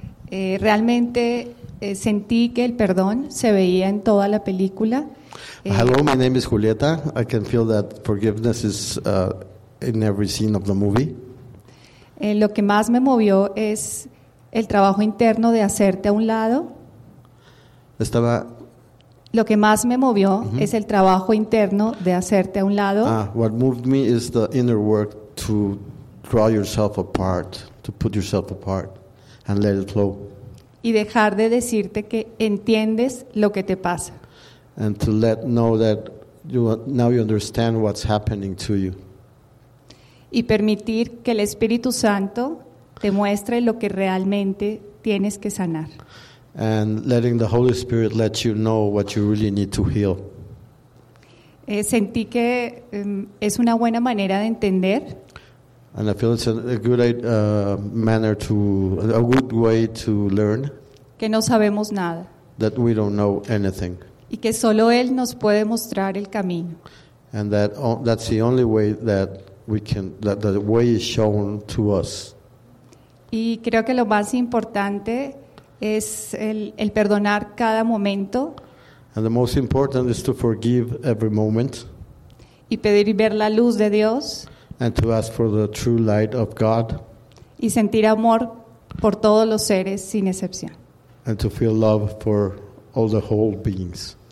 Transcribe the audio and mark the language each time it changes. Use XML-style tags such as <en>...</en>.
<es>Realmente sentí que el perdón se veía en toda la película.</es> <en>Hello, my name is Julieta. I can feel that forgiveness is in every scene of the movie.</en> <es>Lo que más me movió es el trabajo interno de hacerte a un lado. Estaba. Lo que más me movió es el trabajo interno de hacerte a un lado.</es> <en>What moved me is the inner work to draw yourself apart, to put yourself apart, and let it flow.</en> <es>Y dejar de decirte que entiendes lo que te pasa.</es> <en>And to let know that you now you understand what's happening to you.</en> <es>Y permitir que el Espíritu Santo te muestre lo que realmente tienes que sanar.</es> <en>And letting the Holy Spirit let you know what you really need to heal.</en> <es>Sentí que es una buena manera de entender.</es> <en>And I feel it's a good way to learn.</en> <es>Que no sabemos nada.</es> <en>That we don't know anything.</en> <es>Y que solo Él nos puede mostrar el camino.</es> <en>And that's the only way that we can, that the way is shown to us.</en> <es>Y creo que lo más importante es el perdonar cada momento.</es> <en>And the most important is to forgive every moment.</en> <es>Y pedir y ver la luz de Dios.</es> <en>And to ask for the true light of God.</en> <es>Y sentir amor por todos los seres sin excepción.</es> <en>And to feel love for all the whole beings.</en>